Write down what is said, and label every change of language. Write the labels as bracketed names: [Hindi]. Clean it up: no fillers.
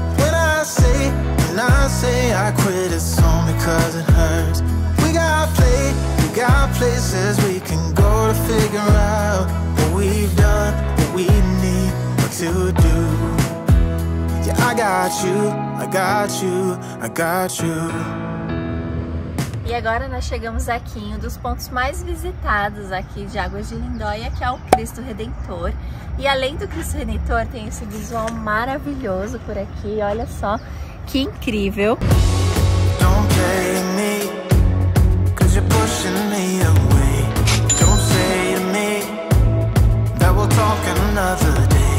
[English] When I say I quit, it's only 'cause it hurts. We got play, we got places we can go to figure out what we've done, what we need, what to do. Yeah, I got you, I got you, I got you. [Portuguese] E agora nós chegamos aqui em um dos pontos mais visitados aqui de Águas de Lindóia, que é o Cristo Redentor. E além do Cristo Redentor, tem esse visual maravilhoso por aqui, olha só que incrível. [English] Don't play me, 'cause you're pushing me away. Don't say to me that we'll talk another day.